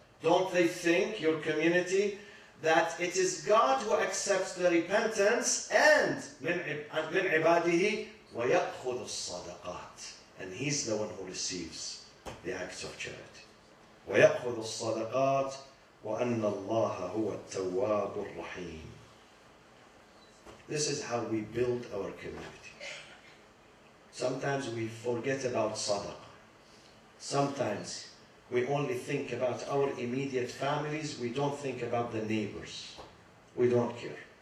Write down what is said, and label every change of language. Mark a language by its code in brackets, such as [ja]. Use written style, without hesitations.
[en] Don't they think, your community, that it is God who accepts the repentance and [ar] من عباده ويأخذ الصدقات. [en] And He's the one who receives the acts of charity. [ar] ويأخذ الصدقات وأن الله هو التواب الرحيم. [en] This is how we build our community. Sometimes we forget about sadaqah. Sometimes we only think about our immediate families. We don't think about the neighbors. We don't care.